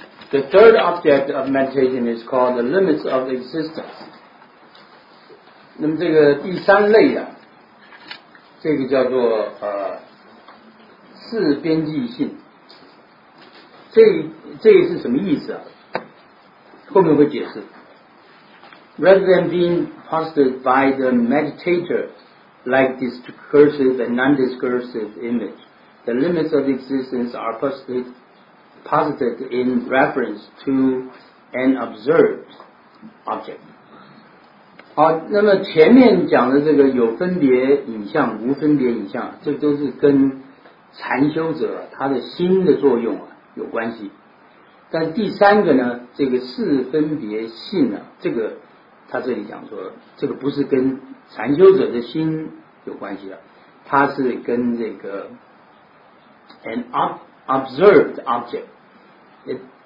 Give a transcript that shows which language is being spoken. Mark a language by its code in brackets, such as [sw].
[en] The third object of meditation is called the limits of existence. [zh] 那么这个第三类啊，这个叫做四边际性。这个是什么意思啊？后面会解释。 [en] Rather than being postured by the meditator like this discursive and non-discursive image, the limits of existence are posited in reference to an observed object. [zh] 好，那么前面讲的这个有分别影像、无分别影像，这都是跟禅修者他的心的作用啊有关系。但第三个呢，这个四分别性啊，这个他这里讲说，这个不是跟禅修者的心有关系了，它是跟这个 [en] an observed object。